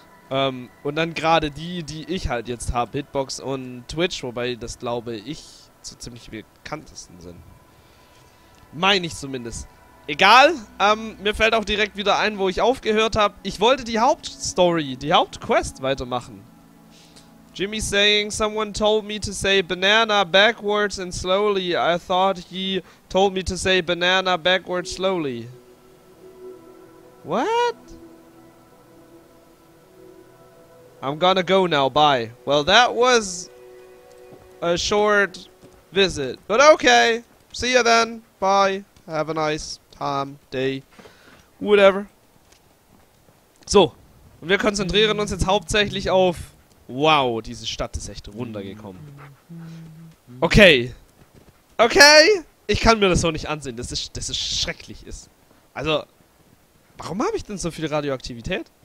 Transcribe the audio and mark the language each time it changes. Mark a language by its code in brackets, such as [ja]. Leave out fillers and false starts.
[de] Und dann gerade die ich halt jetzt habe, Hitbox und Twitch, wobei das glaube ich so ziemlich bekanntesten sind. Meine ich zumindest. Egal, mir fällt auch direkt wieder ein, wo ich aufgehört habe. Ich wollte die Hauptstory, die Hauptquest weitermachen. [en] Jimmy saying, someone told me to say banana backwards and slowly. I thought he told me to say banana backwards slowly. What? I'm gonna go now, bye. Well, that was a short visit. But okay, see you then. Bye, have a nice time, day, whatever. [de] So, und wir konzentrieren uns jetzt hauptsächlich auf... Wow, diese Stadt ist echt runtergekommen. Okay, ich kann mir das so nicht ansehen, das ist schrecklich. Also, warum habe ich denn so viel Radioaktivität?